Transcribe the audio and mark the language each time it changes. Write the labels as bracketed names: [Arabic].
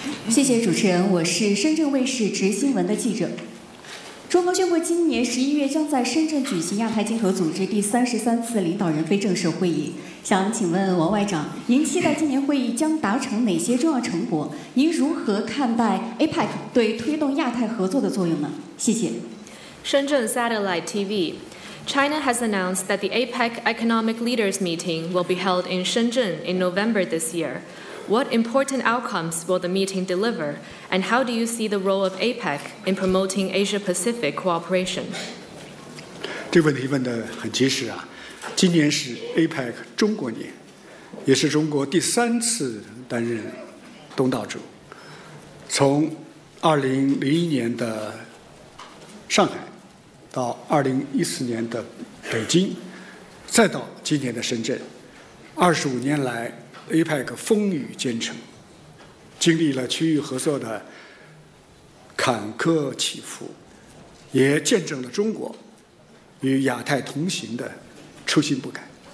[Chinese] 谢谢主持人，我是深圳卫视执新闻的记者。中俄宣布今年11月将在深圳举行亚太经合组织第33次领导人非正式会议，想请问王外长，您期待今年会议将达成哪些重要成果？您如何看待 APEC 对推动亚太合作的作用呢？谢谢。 [English] 深圳 Satellite TV。 China has announced that the APEC Economic Leaders Meeting will be held in Shenzhen in November this year. What important outcomes will the meeting deliver, and how do you see the role of APEC in promoting Asia-Pacific cooperation? [Chinese] 这个问题问得很及时啊！今年是 APEC 中国年，也是中国第3次担任东道主。从2001年的上海，到2014年的北京，再到今年的深圳，25年来 APEC 风雨兼程，经历了区域合作的坎坷起伏，也见证了中国与亚太同行的初心不改。